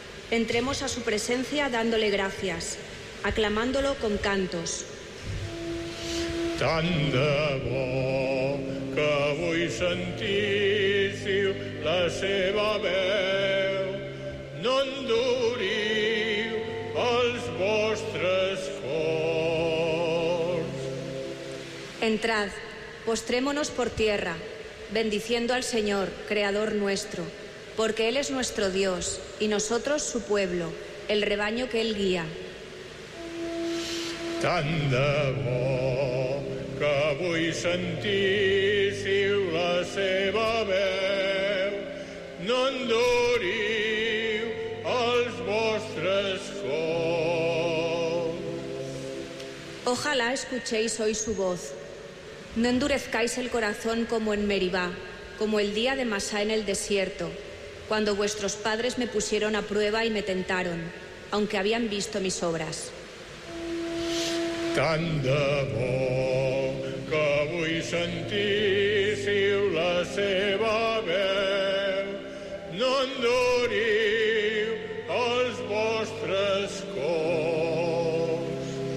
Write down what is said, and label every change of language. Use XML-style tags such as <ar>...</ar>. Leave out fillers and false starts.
<es>Entremos a su presencia dándole gracias, aclamándolo con cantos.</es> <ca>Tant de bo que avui sentíssiu la seva veu, no enduriu els vostres cors.</ca> <es>Entrad, postrémonos por tierra, bendiciendo al Señor, Creador nuestro. Porque Él es nuestro Dios, y nosotros su pueblo, el rebaño que Él guía.</es> <ca>Tant de bo que avui sentíssiu la seva veu, no enduriu els vostres cors.</ca> <es>Ojalá escuchéis hoy su voz. No endurezcáis el corazón como en Meribá, como el día de Masá en el desierto, cuando vuestros padres me pusieron a prueba y me tentaron, aunque habían visto mis obras.</es> <ca>Tant de bo que avui sentíssiu la seva veu, no enduriu els vostres cors.</ca>